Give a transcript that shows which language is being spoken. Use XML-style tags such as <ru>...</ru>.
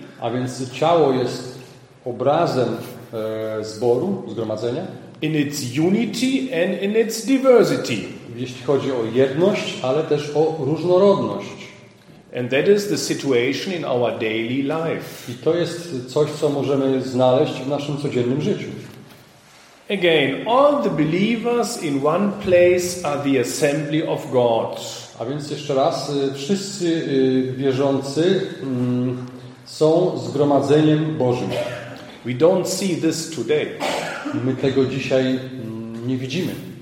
<pl>A więc ciało jest obrazem zboru, zgromadzenia.</pl> <en>In its unity and in its diversity.</en> <pl>Jeśli chodzi o jedność, ale też o różnorodność.</pl> <en>And that is the situation in our daily life.</en> <pl>I to jest coś, co możemy znaleźć w naszym codziennym życiu.</pl> <en>Again, all the believers in one place are the assembly of God.</en> <pl>A więc jeszcze raz, wszyscy wierzący są zgromadzeniem Bożym.</pl> <en>We don't see this today.</en> <pl>My tego dzisiaj nie widzimy.</pl>